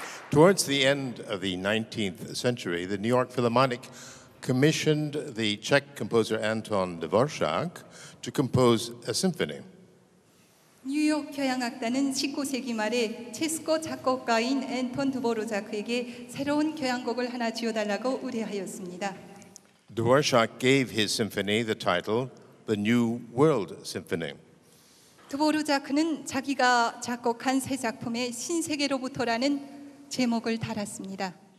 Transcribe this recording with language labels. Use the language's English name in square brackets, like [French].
[English] Towards the end of the 19th century, the New York Philharmonic commissioned the Czech composer Anton Dvorak to compose a symphony. [Korean] 뉴욕 교향악단은 19세기 말에 체스코 작곡가인 앤톤 드보로자크에게 새로운 교향곡을 하나 지어달라고 의뢰하였습니다. [English] Dvorak gave his symphony the title, The New World Symphony. [Korean] 드보르자크는 자기가 작곡한 새 작품의 신세계로부터라는 제목을 달았습니다.